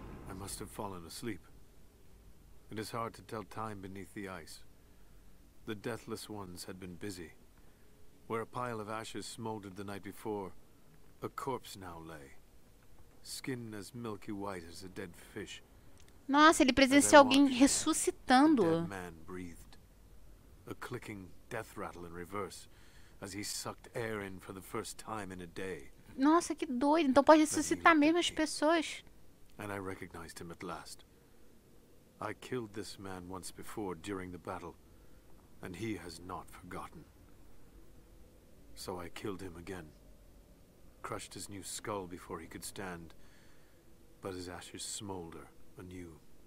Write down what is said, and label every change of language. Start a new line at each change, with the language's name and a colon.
English: I must have fallen asleep. It is hard to tell time beneath the ice. The deathless ones had been busy. Where a pile of ashes smoldered the night before, a corpse now lay. Skin as milky white as a dead fish.
Portuguese: Nossa, ele presenciou alguém ressuscitando.
English: Dead man breathed. A clicking death rattle in reverse, as he sucked air in for the first time in a day.
Portuguese: Nossa, que doido. Então pode ressuscitar mesmo as pessoas.
English: And I recognized him at last. I killed this man once before during the battle, and he has not forgotten. So I killed him again. Crushed his new skull before he could stand, but his ashes smolder anew.